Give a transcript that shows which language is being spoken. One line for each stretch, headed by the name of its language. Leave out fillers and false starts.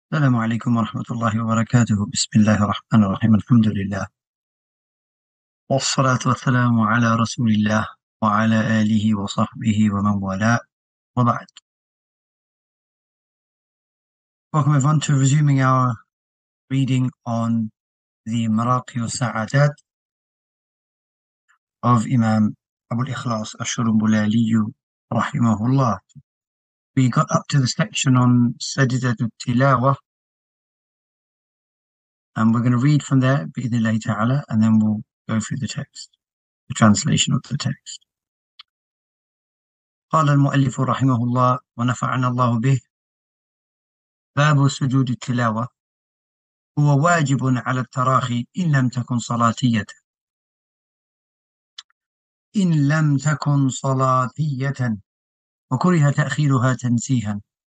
Arabic: السلام عليكم ورحمة الله وبركاته. بسم الله الرحمن الرحيم، الحمد لله والصلاة والسلام على رسول الله وعلى آله وصحبه ومن والاه، وبعد.
English: Welcome everyone to resuming our reading on the مراقي السعادات of Imam Abu al-Ikhlas الشرمبلالي
Arabic: رحمه الله.
English: We got up to the section on سجدة التلاوة, and we're going to read from there,
Arabic: بإذن الله تعالى,
English: and then we'll go through the text, the translation of the text.
Arabic: قال المؤلف رحمه الله ونفعنا الله به: باب سجود التلاوة. هو واجب على التراخي إن لم تكن صلاتية. إن لم تكن صلاتية وكره تأخيرها تنسيها.